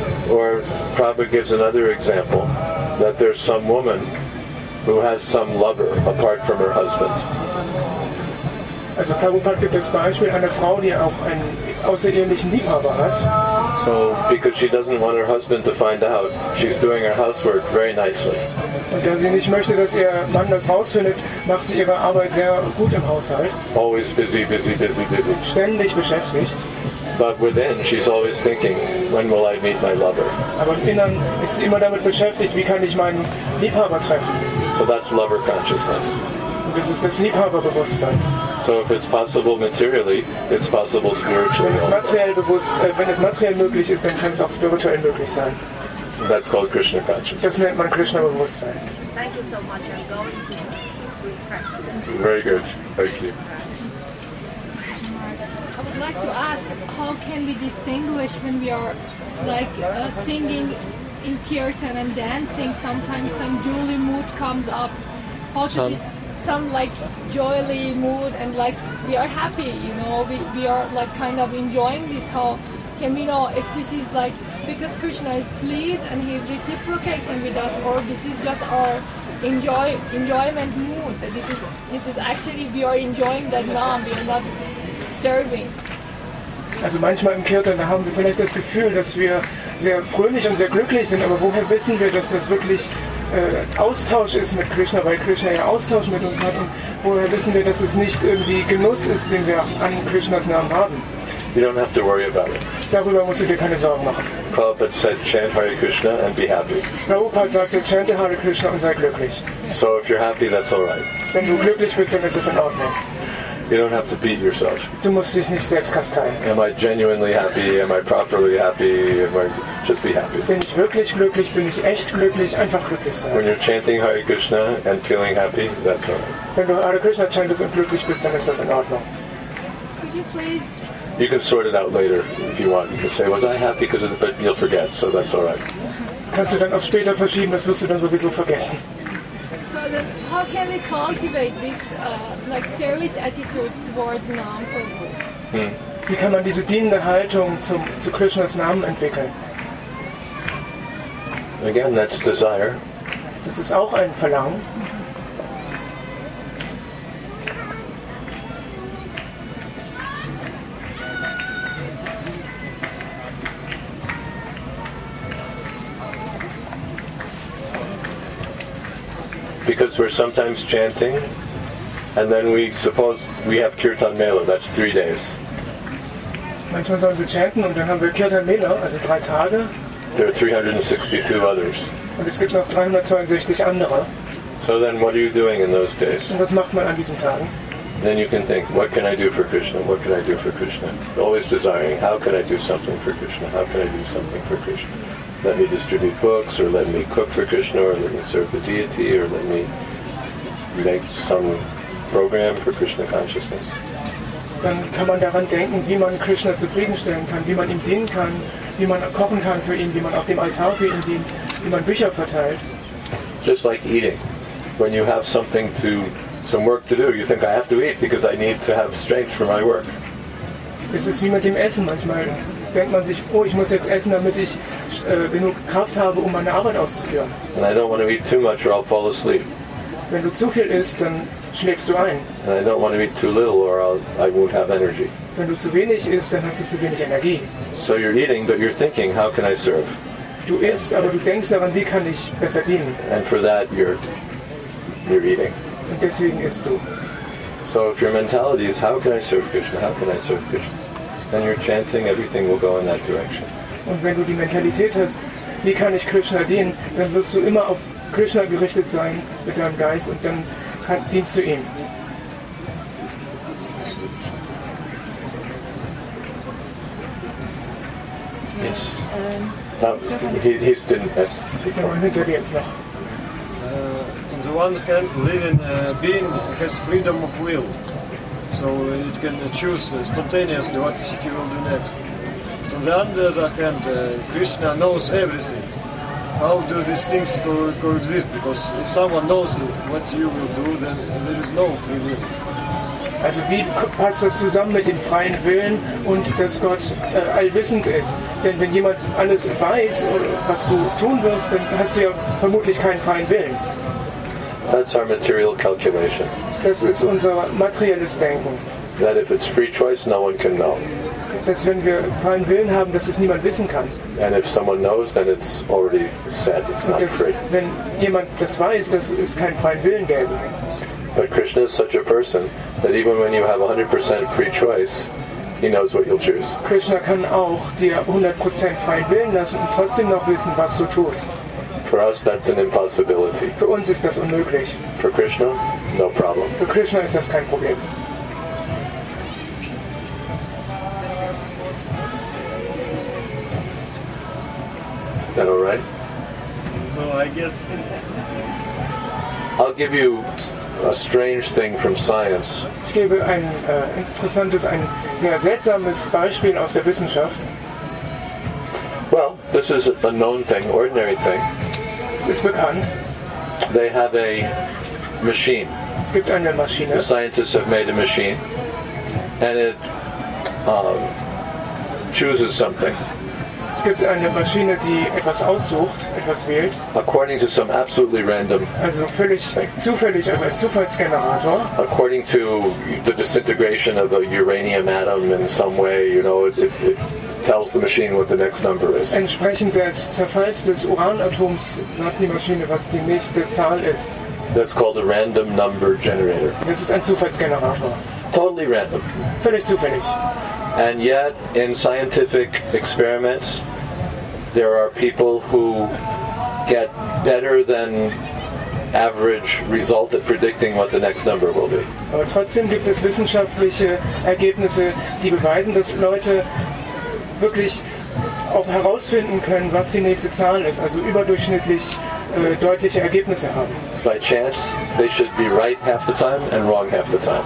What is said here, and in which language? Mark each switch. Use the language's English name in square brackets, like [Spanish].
[English] Or Prabhupada gives another example, that there's some woman who has some lover apart from her husband. [German] Also Prabhupada gibt das Beispiel einer Frau, die auch einen außerehelichen Liebhaber hat. [English] So, because she doesn't want her husband to find out, she's doing her housework very nicely. [German] Und da sie nicht möchte, dass ihr Mann das Haus findet, macht sie ihre Arbeit sehr gut im Haushalt. [English] Always busy, busy, busy, busy. [German] Ständig beschäftigt. [English] But within, she's always thinking, when will I meet my lover? [German] Aber innen ist sie immer damit beschäftigt, wie kann ich meinen Liebhaber treffen? [English] So that's lover consciousness. [German] Und das ist das Liebhaberbewusstsein. [English] So if it's possible materially, it's possible spiritually. [German] Wenn es materiell bewusst, wenn es materiell möglich ist, dann kann es auch spirituell möglich sein. [English] And that's called Krishna consciousness. [German] Das nennt man Krishna Bewusstsein. [English] Thank you so much. I'm going to practice. Very good. Thank you. I'd like to ask, how can we distinguish when we are like singing in kirtan and dancing, sometimes some jolly mood comes up, how some. Some like jolly mood and like we are happy, you know, we are like kind of enjoying this, how can we know if this is like because Krishna is pleased and he is reciprocating with us, or this is just our enjoyment mood, that this is actually we are enjoying that now, we are not serving. [German] Also manchmal im Kirtan, da haben wir vielleicht das Gefühl, dass wir sehr fröhlich und sehr glücklich sind, aber woher wissen wir, dass das wirklich Austausch ist mit Krishna, weil Krishna ja Austausch mit uns hat, und woher wissen wir, dass es nicht irgendwie Genuss ist, den wir an Krishnas Namen haben? [English] You don't have to worry about it. [German] Darüber musst du dir keine Sorgen machen. [English] Prabhupada said, chant Hare Krishna and be happy. [German] Prabhupada sagte, chante Hare Krishna und sei glücklich. [English] So if you're happy, that's all right. [German] Wenn du glücklich bist, dann ist es in Ordnung. [English] You don't have to beat yourself. [German] Du musst dich nicht selbst kasteien. [English] Am I genuinely happy? Am I properly happy? Am I just be happy? [German] Bin ich wirklich glücklich? Bin ich echt glücklich? Einfach glücklich sein. [English] When you're chanting Hare Krishna and feeling happy, that's all right. [German] Wenn du Hare Krishna chantest und glücklich bist, dann ist das in Ordnung. [English] Could you please? You can sort it out later if you want. You can say, was I happy? Because of the... but you'll forget, so that's all right. [German] Kannst du dann auf später verschieben? Das wirst du dann sowieso vergessen. [English] How can we cultivate this like service attitude towards Nam Prabhu? Hmm. [German] Wie kann man diese dienende Haltung zu Krishnas Namen entwickeln? [English] Again, that's desire. [German] Das ist auch ein Verlangen. [English] Because we're sometimes chanting, and then we suppose we have kirtan mela. That's 3 days. [German] Manchmal sollen wir chanten und dann haben wir kirtan mela, also 3 Tage. [English] There are 362 others. [German] Und es gibt noch 362 andere. [English] So then, what are you doing in those days? [German] Und was macht man an diesen Tagen? [English] Then you can think, what can I do for Krishna? What can I do for Krishna? Always desiring, how can I do something for Krishna? How can I do something for Krishna? Let me distribute books, or let me cook for Krishna, or let me serve the deity, or let me make some program for Krishna consciousness. [German] Dann kann man daran denken, wie man Krishna zufriedenstellen kann, wie man ihm dienen kann, wie man kochen kann für ihn, wie man auf dem Altar für ihn dient, wie man Bücher verteilt. [English] Just like eating. When you have something to, some work to do, you think, I have to eat because I need to have strength for my work. [German] Das ist wie mit dem Essen manchmal. Denkt man sich, oh, ich muss jetzt essen, damit ich genug Kraft habe, um meine Arbeit auszuführen. [English] And I don't want to eat too much or I'll fall asleep. [German] Wenn du zu viel isst, dann schläfst du ein. [English] And I don't want to eat too little or I won't have energy. [German] Wenn du zu wenig isst, dann hast du zu wenig Energie. [English] So you're eating, but you're thinking, how can I serve? [German] Du isst, aber du denkst daran, wie kann ich besser dienen? [English] And for that you're eating. [German] Und deswegen isst du. [English] So if your mentality is, how can I serve Krishna? How can I serve Krishna? Then you're chanting, everything will go in that direction. [German] Und wenn du die Mentalität hast, wie kann ich Krishna dienen, dann wirst du immer auf Krishna gerichtet sein mit deinem Geist und dann dienst du ihm. [English] Yes. He's didn't ask before. On the one hand, living being has freedom of will. So it can choose spontaneously what he will do next. On the other hand, Krishna knows everything. how do these things coexist? Because if someone knows what you will do, then there is no free will. [German] Also wie passt das zusammen mit dem freien Willen und dass Gott allwissend ist? Denn wenn jemand alles weiß, was du tun wirst, dann hast du ja vermutlich keinen freien Willen. [English] That's our material calculation. [German] Das ist unser materielles Denken. [English] That if it's free choice, no one can know. [German] Dass wenn wir freien Willen haben, dass es niemand wissen kann. [English] And if someone knows, then it's already said it's not [German] dass, [English] free. [German] Wenn jemand das weiß, dass es keinen freien Willen gäbe. [English] But Krishna is such a person that even when you have 100% free choice, he knows what you'll choose. [German] Krishna kann auch dir 100% frei wählen lassen und trotzdem noch wissen, was du tust. [English] For us, that's an impossibility. [German] Für uns ist das unmöglich. [English] For Krishna, no problem. [German] Für Krishna ist das kein Problem. [English] Is that all right? So I guess I'll give you a strange thing from science. [German] Ich gebe ein interessantes, ein sehr seltsames Beispiel aus der Wissenschaft. [English] Well, this is a known thing, ordinary thing. [German] Es ist bekannt. [English] They have a machine. [German] Es gibt eine Maschine. [English] The scientists have made a machine, and it chooses something. [German] Es gibt eine Maschine, die etwas aussucht, etwas wählt. [English] According to some absolutely random. [German] Also völlig zufällig, also ein Zufallsgenerator. [English] According to the disintegration of a uranium atom in some way, you know, it tells the machine what the next number is. [German] Entsprechend des Zerfalls des Uranatoms sagt die Maschine, was die nächste Zahl ist. [English] That's called a random number generator. [German] Das ist ein Zufallsgenerator. [English] Totally random. [German] Völlig zufällig. [English] And yet, in scientific experiments, there are people who get better than average result at predicting what the next number will be. [German] Aber trotzdem gibt es wissenschaftliche Ergebnisse, die beweisen, dass Leute wirklich auch herausfinden können, was die nächste Zahl ist, also überdurchschnittlich deutliche Ergebnisse haben. [English] By chance, they should be right half the time and wrong half the time.